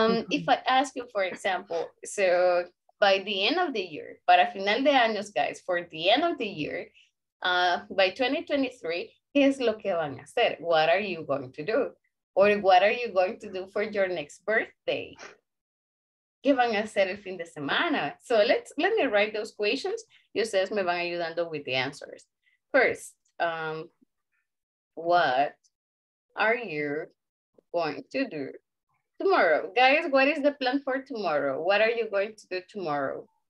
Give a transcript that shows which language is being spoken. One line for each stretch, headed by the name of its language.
English: If I ask you, for example, so by the end of the year,
Spanish: para final de años,
English: guys, for the end of the year, by 2023,
Spanish: ¿qué es lo que van a hacer?
English: What are you going to do? Or what are you going to do for your next birthday?
Spanish: ¿Qué van a hacer el fin de semana?
English: So let me write those questions.
Spanish: Y ustedes me van ayudando
English: with the answers. First, what are you going to do tomorrow? Guys, what is the plan for tomorrow? What are you going to do tomorrow?